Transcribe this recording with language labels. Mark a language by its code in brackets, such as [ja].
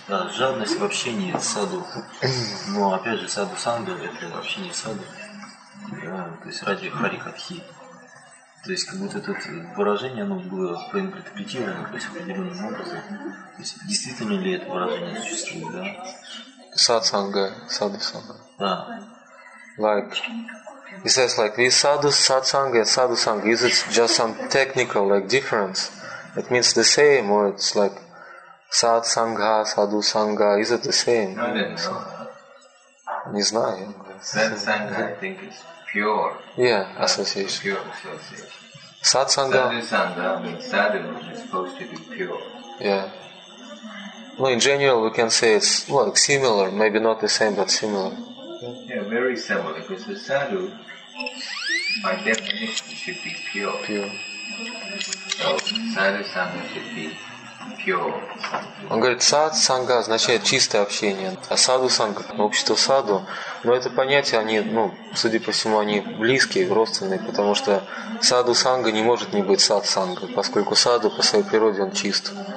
[ru] Да, жадность в общении с саду. Но опять же саду санга это в общении с саду. То есть ради харикатхи. То есть как будто это выражение оно было проинтерпретировано то есть определенным образом. То есть действительно ли это выражение существует, да? Сатсанга, садусанга. Да. [en] Like. He says like this sadhu satsanga and sadhusanga, is it just some technical like difference? It means the same or it's like satsanga, sadhusanga, is it the same? No, no, no. [ru] Не знаю. [en] Satsanga I think is pure. Yeah, association. Pure association. Satsanga. Sadhusanga means sadhu is supposed to be pure. Yeah. Well, in general, we can say it's like similar, maybe not the same, but similar. Yeah, very similar, because the sadhu, by definition, should be pure. Pure. So, sadhu sangha should be pure. [ru] Он говорит, сад санга означает чистое общение, а саду санга – общество саду. Но это понятие, они, ну, судя по всему, они близкие, родственные, потому что саду санга не может не быть сад санга, поскольку саду по своей природе он чист.